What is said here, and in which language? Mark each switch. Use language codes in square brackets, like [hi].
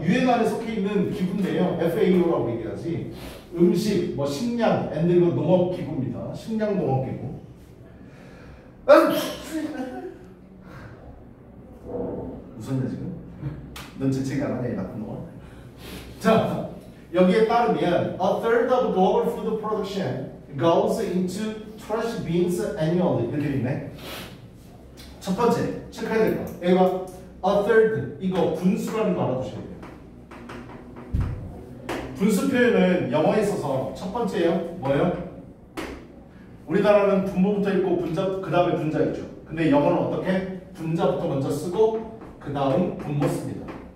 [ko] UN 안에 속해 있는 기구인데요. FAO라고 얘기하지. 음식, 뭐 식량, and 그리고 농업 기구입니다. 식량 농업 기구. 웃었냐 지금? 넌 재채기 안 하냐 이 나쁜 놈아. 자, 여기에 따르면 [en] a third of global food production goes into trash bins annually. [ko] 이렇게 있네. 첫 번째, 체크해야 될 거. 여기가 a third. 이거 분수라는 거 알아두셔야 돼요. 분수 표현은 영어에 있어서 첫 번째예요. 뭐예요? 우리나라는 분모부터 읽고 분자, 그 다음에 분자 읽죠. 근데 영어는 어떻게? 분자부터 먼저 쓰고 그 다음 분모 씁니다.